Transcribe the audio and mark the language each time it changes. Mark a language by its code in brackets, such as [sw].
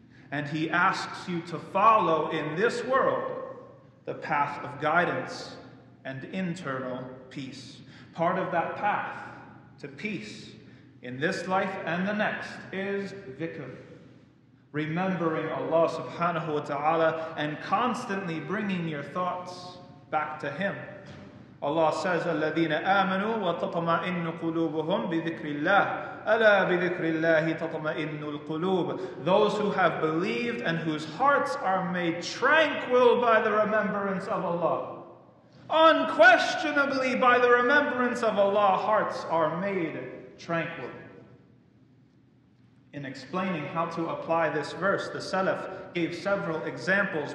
[en] And He asks you to follow in this world the path of guidance and internal peace. Part of that path to peace in this life and the next is dhikr. Remembering Allah subhanahu wa ta'ala and constantly bringing your thoughts back to Him. Allah says, [ar] الَّذِينَ آمَنُوا وَتَطْمَئِنُّ قُلُوبُهُمْ بِذِكْرِ اللَّهِ أَلَا بِذِكْرِ اللَّهِ تَطْمَئِنُّ الْقُلُوبُ. [en] Those who have believed and whose hearts are made tranquil by the remembrance of Allah. Unquestionably, by the remembrance of Allah, hearts are made tranquil. In explaining how to apply this verse, the Salaf gave several examples.